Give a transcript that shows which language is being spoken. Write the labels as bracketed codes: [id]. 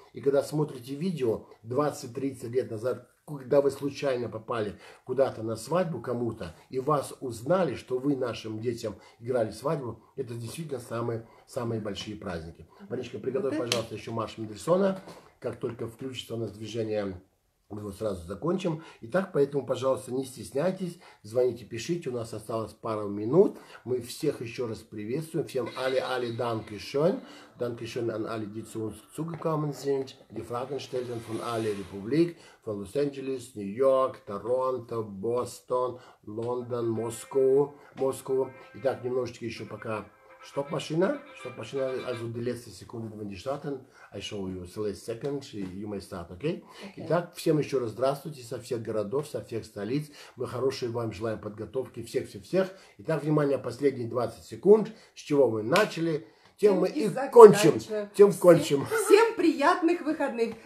[ru] И когда смотрите видео 20-30 лет назад, когда вы случайно попали куда-то на свадьбу кому-то, и вас узнали, что вы нашим детям играли свадьбу, это действительно самые, самые большие праздники. Маришка, приготовь, пожалуйста, еще марш Мендельсона. Как только включится у нас движение, мы его сразу закончим. Итак, поэтому, пожалуйста, не стесняйтесь, звоните, пишите. У нас осталось пару минут. Мы всех еще раз приветствуем. Всем али-али, данкишон. [de] Данкишон an alle, die zu uns zugekommen sind, die Fragen stellen von alle Republik, von Los Angeles, New York, Toronto, Boston, London, Moskau. [ru] Итак, немножечко еще пока. [de] Stoppmaschine. Stoppmaschine, also die letzte Sekunde, wenn die starten. [en] I show you the last second, you may start, okay? Okay. [ru] Итак, всем еще раз здравствуйте со всех городов, со всех столиц. Мы хорошие вам желаем подготовки всех-всех-всех. Итак, внимание, последние 20 секунд, с чего мы начали, тем мы и кончим. Всем приятных выходных.